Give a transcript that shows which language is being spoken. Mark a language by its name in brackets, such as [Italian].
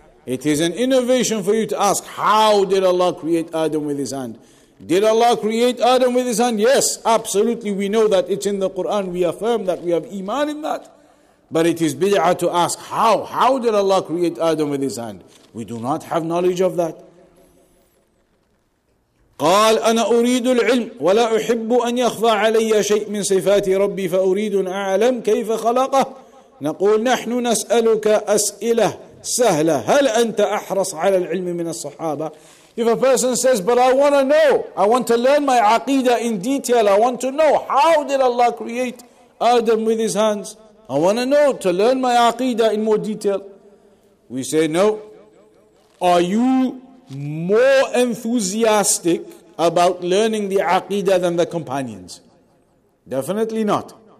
[English] It is an innovation for you to ask, how did Allah create Adam with his hand? Did Allah create Adam with his hand? Yes, absolutely. We know that it's in the Quran. We affirm that. We have iman in that. But it is bid'ah to ask, how? How did Allah create Adam with his hand? We do not have knowledge of that. [Arabic] قال أنا أريد العلم ولا أحب أن يخضع علي شيء من صفات ربي فأريد أعلم كيف خلقه. نقول نحن نسألك أسئلة سهلة, هل أنت أحرص على العلم من الصحابة؟ [English] If a person says, but I want to know, I want to learn my aqidah in detail, I want to know, how did Allah create Adam with his hands? I want to know, to learn my aqidah in more detail. We say, no. Are you more enthusiastic about learning the aqidah than the companions? Definitely not.